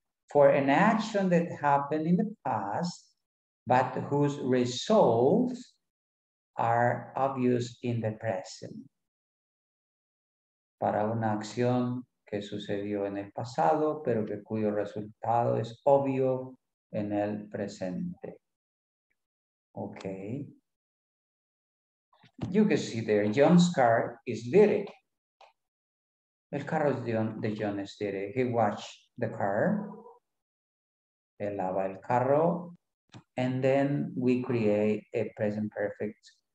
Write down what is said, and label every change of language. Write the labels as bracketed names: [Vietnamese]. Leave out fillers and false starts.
[English] For an action that happened in the past, but whose results are obvious in the present. [Spanish] Para una acción que sucedió en el pasado, pero que cuyo resultado es obvio en el presente. [English] Okay. You can see there, John's car is there. [Spanish] El carro de John es [English] there. He washed the car. [Spanish] Él lava el carro. [English] And then we create a present perfect.